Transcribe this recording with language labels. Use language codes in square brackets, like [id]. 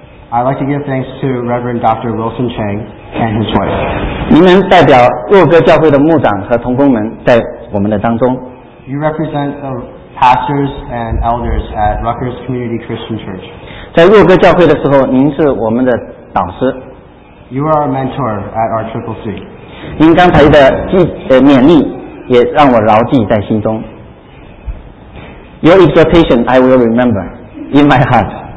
[en] I'd like to give thanks to Reverend Dr. Wilson Chang and his wife. [zh] 您能代表若歌教会的牧长和同工们在我们的当中。 [en] You represent the pastors and elders at Rutgers Community Christian Church. [zh] 在若歌教会的时候，您是我们的导师。 [en] You are a mentor at our Triple C. [zh] 您刚才的勉励也让我牢记在心中。 [en] Your exhortation I will remember in my heart.